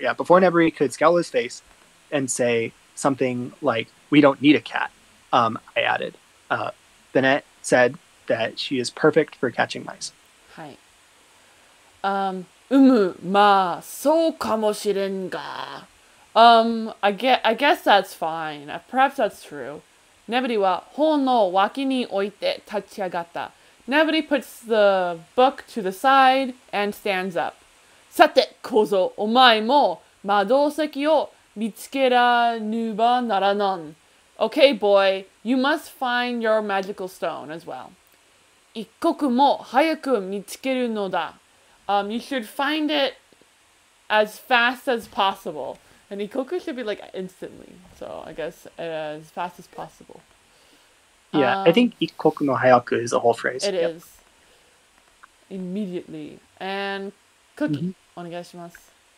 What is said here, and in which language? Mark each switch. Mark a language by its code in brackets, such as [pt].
[en] Yeah, before Nebari could scowl his face and say something like, we don't need a cat, I added. Bennett said that she is perfect for catching mice. Hi. [ja] まあ、そうかもしれんが。 [en] I guess that's fine. Perhaps that's true. [ja] Nebari wa hon no waki ni oite tachi agatta. [en] Nebari puts the book to the side and stands up. [ja] Sate, kozo, omae mo madoseki wo mitsukeranuba naranan. [en] Okay, boy, you must find your magical stone as well. [ja] 一刻も早く見つけるのだ。 [en] You should find it as fast as possible. And 一刻 should be like instantly. So I guess as fast as possible. Yeah, I think [ja] 一刻も早く [en] is a whole phrase. It is. Immediately. And Cookie, [ja] お願いします。